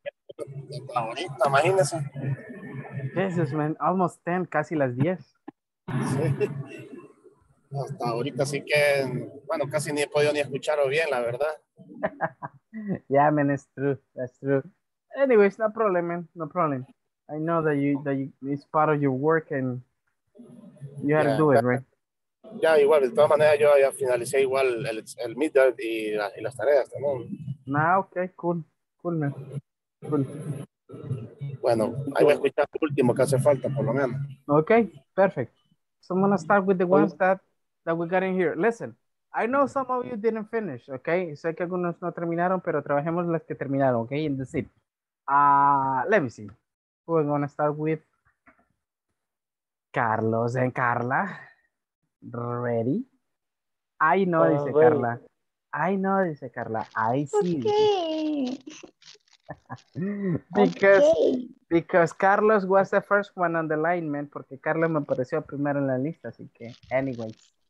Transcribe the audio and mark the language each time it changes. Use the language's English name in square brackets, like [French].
[Spanish] Hasta ahorita, imagínese. [English] Jesus, man. Almost 10, [Spanish] casi las 10. Sí. Hasta ahorita sí que, bueno, casi ni he podido ni escucharlo bien, la verdad. [English] Yeah, man, it's true. That's true. Anyways, no problem, man. No problem. I know that you it's part of your work and you had to do it, right? [Spanish] Ya, igual, de todas maneras, yo ya finalicé igual el midterm y las tareas también. [English] Ah, ok, cool, man. Cool. [Spanish] Bueno, ahí voy a escuchar el último que hace falta, por lo menos. [English] Ok, perfect. So I'm going to start with the ones that we got in here. Listen, I know some of you didn't finish, ok? [Spanish] Sé que algunos no terminaron, pero trabajemos las que terminaron, ok? [English] In the seat. Let me see. We're going to start with Carlos and Carla. Ready? I know, dice ready. Carla. I know, dice Carla. I see. Okay. because Carlos was the first one on the line, man. [Spanish] Porque Carlos me apareció primero en la lista, así que, anyways.